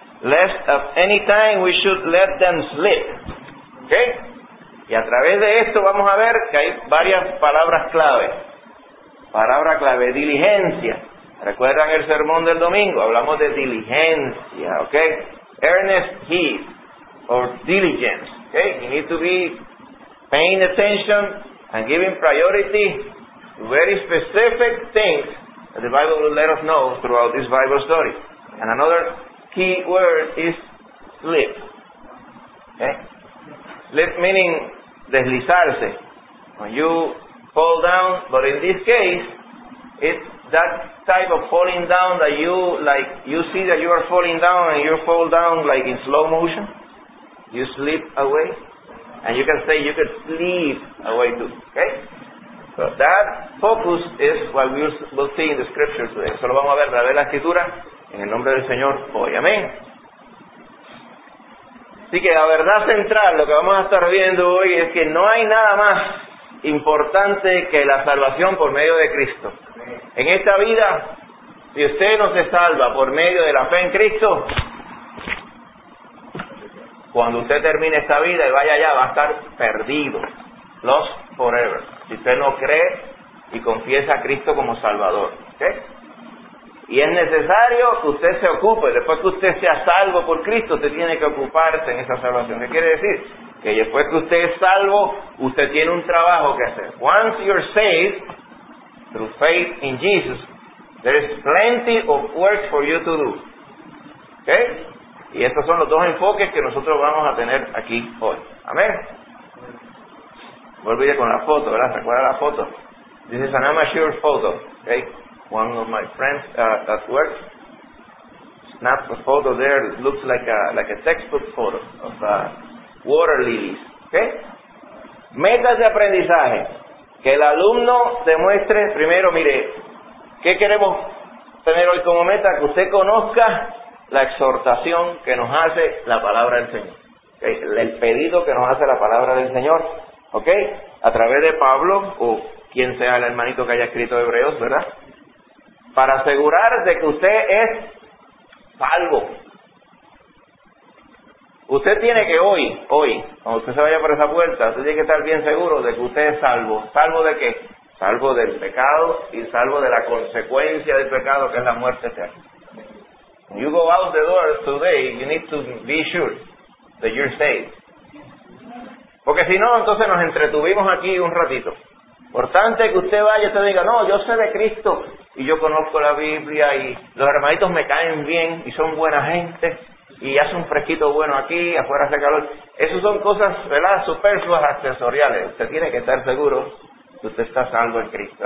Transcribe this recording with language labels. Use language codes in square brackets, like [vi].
[en] Lest at any time we should let them slip. ¿Okay? [es] Y a través de esto vamos a ver que hay varias palabras clave. Palabra clave, diligencia. ¿Recuerdan el sermón del domingo? Hablamos de diligencia, ¿okay? [en] Earnest heed, or diligence. Okay, you need to be paying attention and giving priority to very specific things that the Bible will let us know throughout this Bible study. And another key word is slip. Okay? Slip meaning deslizarse. When you fall down, but in this case, it's that type of falling down that you like, you see that you are falling down and you fall down like in slow motion. You slip away, and you can say you can sleep away too, okay? So that focus is what we will see in the scripture today. [es] Eso lo vamos a ver la escritura, en el nombre del Señor hoy, amén. Así que la verdad central, lo que vamos a estar viendo hoy, es que no hay nada más importante que la salvación por medio de Cristo. En esta vida, si usted no se salva por medio de la fe en Cristo, cuando usted termine esta vida y vaya allá, va a estar perdido. [en] Lost forever. [es] Si usted no cree y confiesa a Cristo como Salvador. ¿Okay? Y es necesario que usted se ocupe. Después que usted sea salvo por Cristo, usted tiene que ocuparse en esa salvación. ¿Qué quiere decir? Que después que usted es salvo, usted tiene un trabajo que hacer. [en] Once you're saved, through faith in Jesus, there is plenty of work for you to do. ¿Okay? [es] Y estos son los dos enfoques que nosotros vamos a tener aquí hoy. Amén. No olvide con la foto, ¿verdad? ¿Se acuerda la foto? [en] This is an amateur photo. Okay? One of my friends at work snapped a photo there. It looks like a textbook photo of water lilies. Okay? [es] Metas de aprendizaje. Que el alumno demuestre primero, mire, ¿qué queremos tener hoy como meta? Que usted conozca la exhortación que nos hace la palabra del Señor, ¿okay? El pedido que nos hace la palabra del Señor, ¿ok? A través de Pablo, o quien sea el hermanito que haya escrito Hebreos, ¿verdad? Para asegurar de que usted es salvo, Usted tiene que hoy, cuando usted se vaya por esa puerta, usted tiene que estar bien seguro de que usted es salvo. ¿Salvo de qué? Salvo del pecado y salvo de la consecuencia del pecado, que es la muerte eterna. [en] When you go out the door today, you need to be sure that you're saved. [es] Porque si no, entonces nos entretuvimos aquí un ratito. Importante que usted vaya y usted diga, no, yo sé de Cristo y yo conozco la Biblia y los hermanitos me caen bien y son buena gente y hace un fresquito bueno aquí, afuera hace calor. Esas son cosas, ¿verdad?, superfluas, accesoriales. Usted tiene que estar seguro que usted está salvo en Cristo.